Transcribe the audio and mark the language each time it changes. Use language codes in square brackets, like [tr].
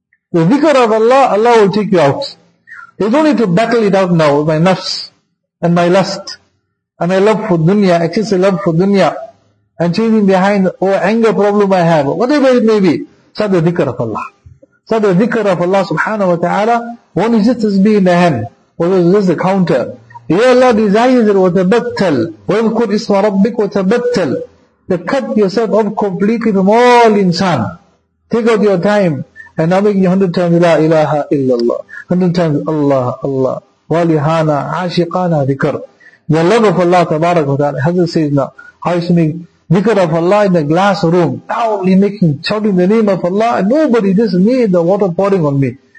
[en] The dhikr of Allah, Allah will take you out. You don't need to battle it out now with my nafs and my lust and my love for dunya, excessive love for dunya and chasing behind or anger problem I have, whatever it may be. So the dhikr of Allah. So the dhikr of Allah subhanahu wa ta'ala, one is just as be in the hand, or is just a counter. Ya Allah desires it, [ar] وَتَبَتَّلْ وَذْكُرْ إِسْمَ رَبِّكْ وَتَبَتَّلْ. [en] To cut yourself off completely from all insan. Take out your time and now make 100 times La ilaha illallah. 100 times Allah, Allah, walihana, ashiqana, dhikr. The love of Allah, tabarak wa ta'ala. Hazrat says now, I used to make dhikr of Allah in a glass room, loudly making, shouting the name of Allah, and nobody, just me, the water pouring on me.